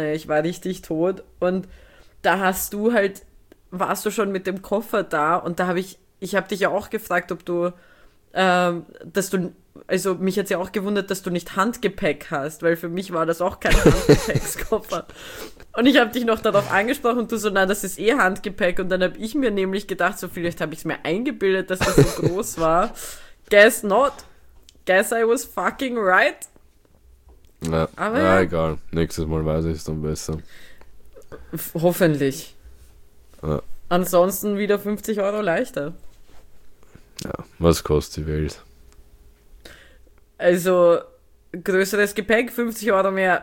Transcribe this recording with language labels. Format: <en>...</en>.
<de>Ich war richtig tot. Und da hast du halt, warst du schon mit dem Koffer da und da habe ich habe dich ja auch gefragt, ob du, dass du, also mich hat es ja auch gewundert, dass du nicht Handgepäck hast, weil für mich war das auch kein Handgepäckskoffer. Und ich habe dich noch darauf angesprochen und du so, na, das ist eh Handgepäck. Und dann habe ich mir nämlich gedacht, so vielleicht habe ich es mir eingebildet, dass das so groß war.</de> <en>Guess not. Guess I was fucking right.</en> <de>Aber Na, ja. egal. Nächstes Mal weiß ich es dann besser. Hoffentlich. Ansonsten wieder 50 € leichter. Was kostet die Welt? Also, größeres Gepäck, 50 € mehr.</de>